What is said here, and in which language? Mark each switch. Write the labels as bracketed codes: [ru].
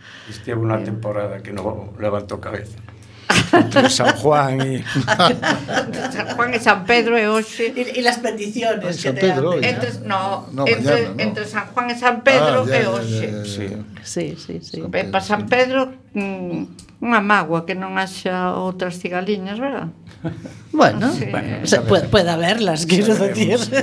[es] Estuvo una temporada que no levantó cabeza. Entre San Juan y... San Juan y San Pedro y Oxe. Y las bendiciones. San Pedro, que te entre, no, no, entre, mañana, no, entre San Juan y San Pedro y Oxe. Sí, sí, sí. San Pedro, para San Pedro, sí. [gl] Unha mágoa que non haxa outras cigaliñas, ¿verdad? [es] Bueno, sí. Bueno, se puede, puede haberlas, quiero decir.